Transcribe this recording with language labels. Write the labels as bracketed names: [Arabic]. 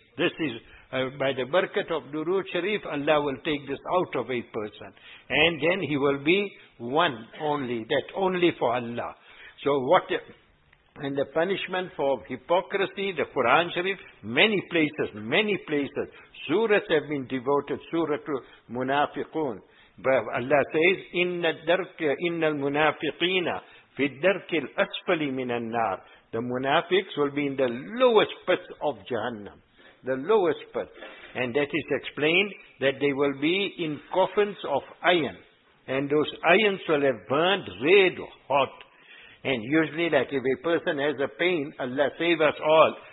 [English] This is by the barakat of Durood Sharif, Allah will take this out of a person. And then he will be one only, that only for Allah. So what, and the punishment for hypocrisy, the Quran Sharif, many places, many places. Surahs have been devoted, Surah Munafiqun. But Allah says, [Arabic] إِنَّ الْمُنَافِقِينَ فِي الدَّرْكِ الْأَسْفَلِ مِنَ النَّارِ. [English] The munafiqs will be in the lowest pits of Jahannam. The lowest pit. And that is explained that they will be in coffins of iron. And those irons will have burned red hot. And usually like if a person has a pain, Allah save us all.